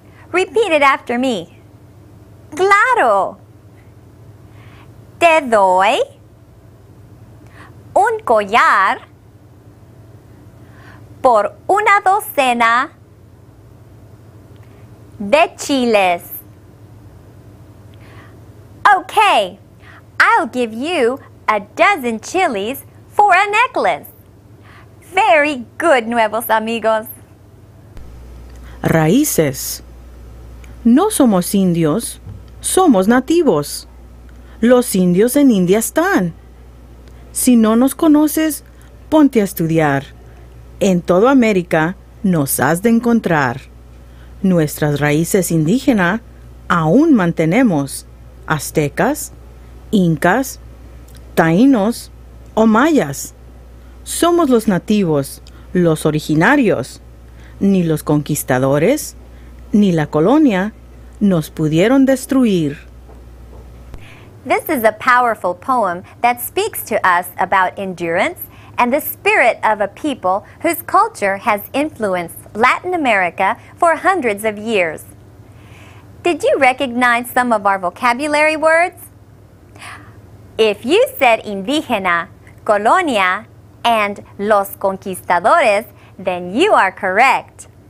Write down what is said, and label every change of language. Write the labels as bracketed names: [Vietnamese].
[English] Repeat it after me. Claro. [Spanish] Te doy un collar por una docena de chiles. [English] Okay, I'll give you a dozen chilies for a necklace. Very good, [Spanish] nuevos amigos. Raíces. No somos indios, somos nativos. Los indios en India están. Si no nos conoces, ponte a estudiar. En toda América nos has de encontrar. Nuestras raíces indígenas aún mantenemos. Aztecas, incas, taínos o mayas. Somos los nativos, los originarios. Ni los conquistadores, ni la colonia nos pudieron destruir. [English] This is a powerful poem that speaks to us about endurance and the spirit of a people whose culture has influenced Latin America for hundreds of years. Did you recognize some of our vocabulary words? If you said indígena, colonia, and los conquistadores, then you are correct.